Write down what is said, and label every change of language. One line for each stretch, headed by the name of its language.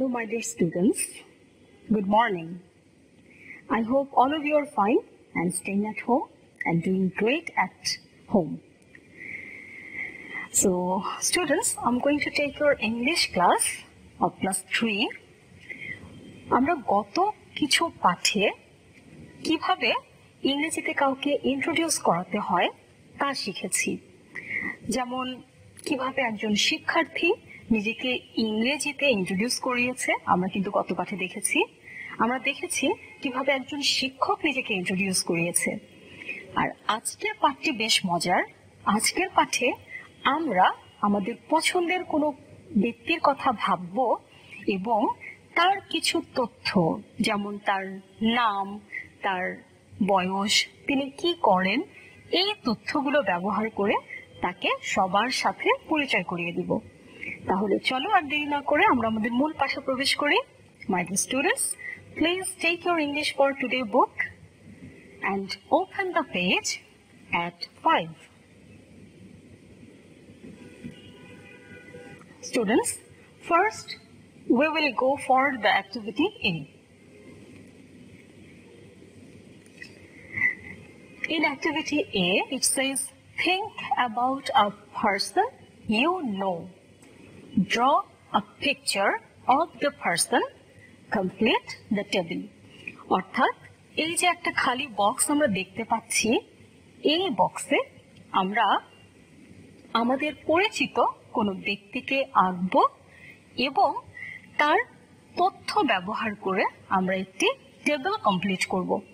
English: dear students, good morning. I hope all of you are fine and staying at home and doing great at home. So, students, I'm going to take your English class of class 3.
Bangla: আমরা গত কিছু পাঠে কিভাবে ইংরেজিতে কাউকে introduce করাতে হয় তা শিখেছি, যেমন কিভাবে একজন শিক্ষার্থী নিজেকে ইংরেজিতে ইন্ট্রোডিউস করিয়েছে, আমরা কিন্তু গত পাঠে দেখেছি। আমরা দেখেছি কিভাবে একজন শিক্ষক নিজেকে ইন্ট্রোডিউস করিয়েছে। আর আজকের পাঠটি বেশ মজার। আজকের পাঠে আমরা আমাদের পছন্দের কোনো ব্যক্তির কথা ভাবব এবং তার কিছু তথ্য, যেমন তার নাম, তার বয়স, তিনি কি করেন, এই তথ্যগুলো ব্যবহার করে তাকে সবার সাথে পরিচয় করিয়ে দিব। তাহলে চলো আর দেরি না করে আমরা আমাদের মূল পাঠে প্রবেশ করি।
English: My dear students, please take your English for today book and open the page at 5। Students, first we will go for the activity A. In activity A, it says, think about a person you know. Draw a picture of the person. Complete the table.
Bangla: অর্থাৎ এই যে একটা খালি box আমরা দেখতে পাচ্ছি, এই বক্সে আমরা আমাদের পরিচিত কোনো ব্যক্তিকে আঁকব এবং তার তথ্য ব্যবহার করে আমরা একটি টেবিল কমপ্লিট করব।